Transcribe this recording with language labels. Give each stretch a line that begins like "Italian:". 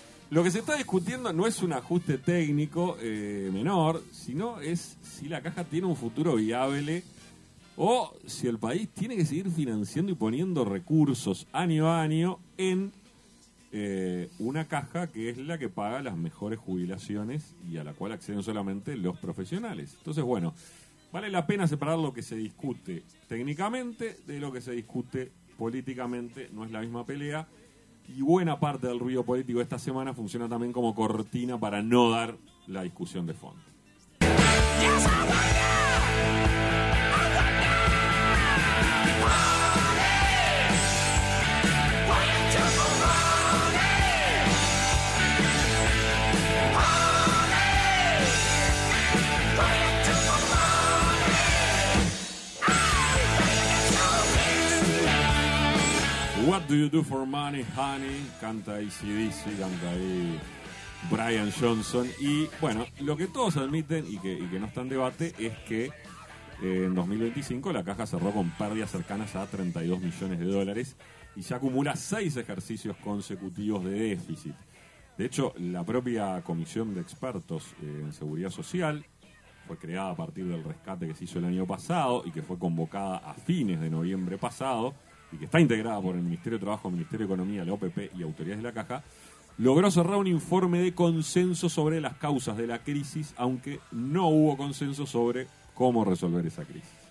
Spanish: Lo que se está discutiendo no es un ajuste técnico menor, sino es si la caja tiene un futuro viable o si el país tiene que seguir financiando y poniendo recursos año a año en una caja que es la que paga las mejores jubilaciones y a la cual acceden solamente los profesionales. Entonces, bueno, vale la pena separar lo que se discute técnicamente de lo que se discute políticamente. No es la misma pelea. Y buena parte del ruido político esta semana funciona también como cortina para no dar la discusión de fondo.
English: Yes, What do you do for money, honey?
Spanish: Canta AC/DC, canta ahí Brian Johnson. Y bueno, lo que todos admiten y que no está en debate es que en 2025 la caja cerró con pérdidas cercanas a 32 millones de dólares y ya acumula 6 ejercicios consecutivos de déficit. De hecho, la propia Comisión de Expertos en Seguridad Social fue creada a partir del rescate que se hizo el año pasado y que fue convocada a fines de noviembre pasado y que está integrada por el Ministerio de Trabajo, Ministerio de Economía, la OPP y autoridades de la Caja, logró cerrar un informe de consenso sobre las causas de la crisis, aunque no hubo consenso sobre cómo resolver esa crisis.